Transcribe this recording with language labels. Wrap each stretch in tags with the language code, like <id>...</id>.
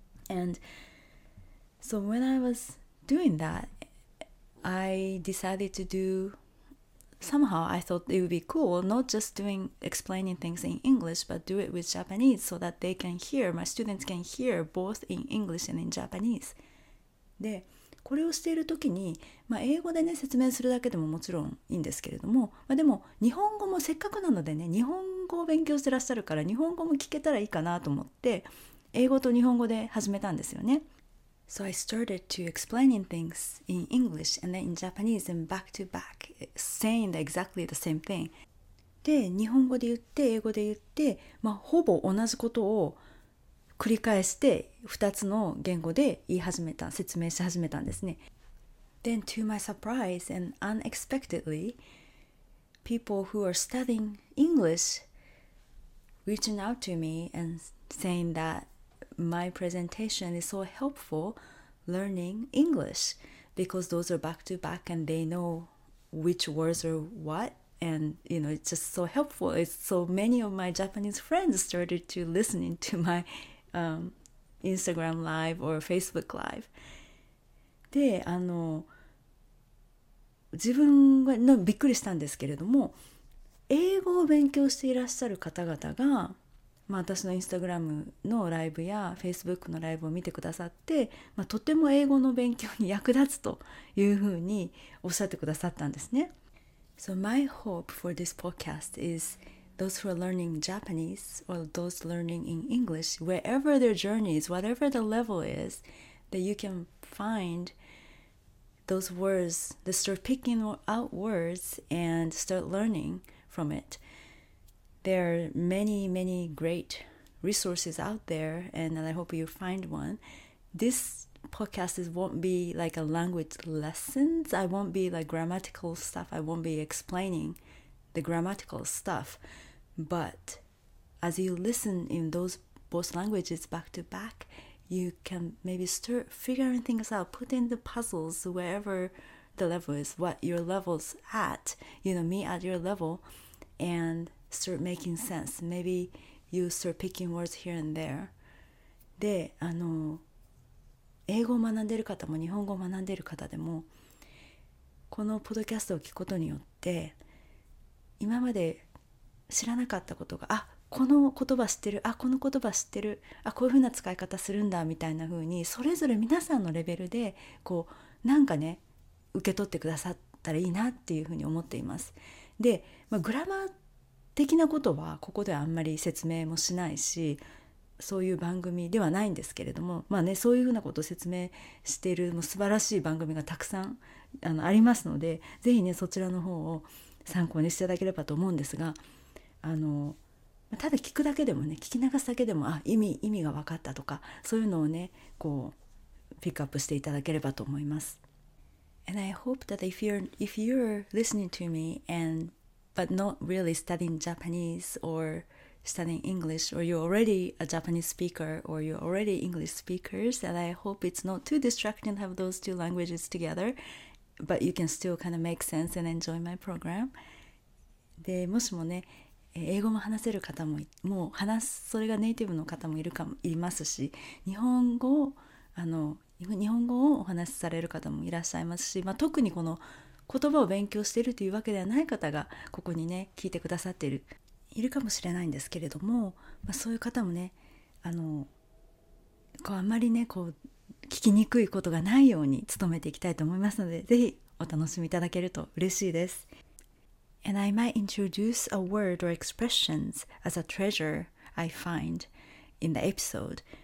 <en>AndSo when I was doing that, I decided to do, somehow I thought it would be cool, not just doing explaining things in English, but do it with Japanese so that they can hear, my students can hear both in English and in Japanese.</en> <ja>で、これをしているときに、まあ、英語でね、説明するだけでももちろんいいんですけれども、まあ、でも日本語もせっかくなのでね、日本語を勉強してらっしゃるから日本語も聞けたらいいかなと思って、英語と日本語で始めたんですよね。</ja> <en>So I started to explaining things in English and then in Japanese and back to back, saying exactly the same thing.</en> <ja>で、日本語で言って、英語で言って、まあ、ほぼ同じことを繰り返して、2つの言語で言い始めた、説明し始めたんですね。</ja> <en>Then to my surprise and unexpectedly, people who are studying English reaching out to me and saying thatMy presentation is so helpful learning English because those are back to back and they know which words are what, and you know, it's just so helpful. It's so many of my Japanese friends started to listening to my Instagram live or Facebook live.</en> <ja>で、あの、自分がのびっくりしたんですけれども、英語を勉強していらっしゃる方々が、まあ、私のインスタグラムのライブやフェイスブックのライブを見てくださって、まあ、とても英語の勉強に役立つというふうにおっしゃってくださったんですね。</ja> <en>So my hope for this podcast is those who are learning Japanese or those learning in English, wherever their journey is, whatever the level is, that you can find those words, they start picking out words and start learning from it. There are many, many great resources out there, and I hope you find one this podcast is, won't be like a language lessons. I won't be like grammatical stuff. I won't be explaining the grammatical stuff. But as you listen in those both languages back to back, you can maybe start figuring things out, put in the puzzles wherever the level is, what your level's at, you know, me at your level, and start making sense. Maybe you start picking words here and there.</en> <ja>で、あの、英語を学んでる方も日本語を学んでる方でも、このポッドキャストを聞くことによって、今まで知らなかったことが、あ、この言葉知ってる、あ、この言葉知ってる、あ、こういうふうな使い方するんだみたいな風に、それぞれ皆さんのレベルでこうなんかね、受け取ってくださったらいいなっていう風に思っています。で、まあ、グラマー的なことはここではあんまり説明もしないし、そういう番組ではないんですけれども、まあね、そういう風なことを説明している、もう素晴らしい番組がたくさん ありますので、ぜひね、そちらの方を参考にしていただければと思うんですが、あの、ただ聞くだけでもね、聞き流すだけでも、あ、意味が分かったとか、そういうのをね、こうピックアップしていただければと思います。</ja> <en>And I hope that if you're listening to me and but not really studying Japanese or studying English, or you're already a Japanese speaker or you're already English speakers, and I hope it's not too distracting to have those two languages together, but you can still kind of make sense and enjoy my program.</en> <ja>で、もしもね、英語も話せる方も、もう話す、それがネイティブの方もいるかも、いますし、日本語を、あの、日本語をお話しされる方もいらっしゃいますし、まあ、特にこの言葉を勉強しているというわけではない方がここにね、聞いてくださっている、いるかもしれないんですけれども、まあ、そういう方もね、あの、こうあんまりね、こう聞きにくいことがないように努めていきたいと思いますので、ぜひお楽しみいただけると嬉しいです。</ja> <en>And I might introduce a word or expressions as a treasure I find in the episode.</en>